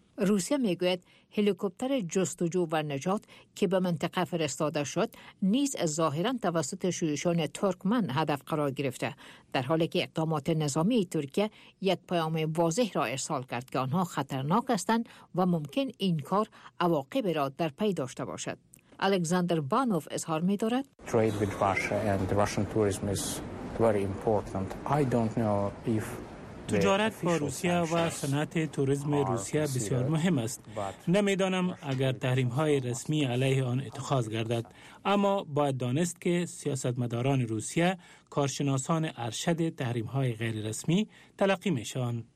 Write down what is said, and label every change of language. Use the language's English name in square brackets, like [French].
[Persian] روسیه میگوید هلیکوپتر جستجو و نجات که به منطقه فرستاده شد نیز ظاهراً توسط شورشان ترکمن هدف قرار گرفته، در حالی که اقدامات نظامی ترکیه یک پیام واضح را ارسال کرد که آنها خطرناک هستند و ممکن این کار عواقب را در پی داشته باشد. الکساندر بانوف اظهار می‌دارد [English] Trade with Russia and Russian tourism is very important. I don't know if [Persian] تجارت با روسیه و صنعت توریسم روسیه بسیار مهم است. نمی‌دانم اگر تحریم‌های رسمی علیه آن اتخاذ گردد، اما باید دانست که سیاستمداران روسیه کارشناسان ارشد تحریم‌های غیر رسمی تلقی می‌شوند.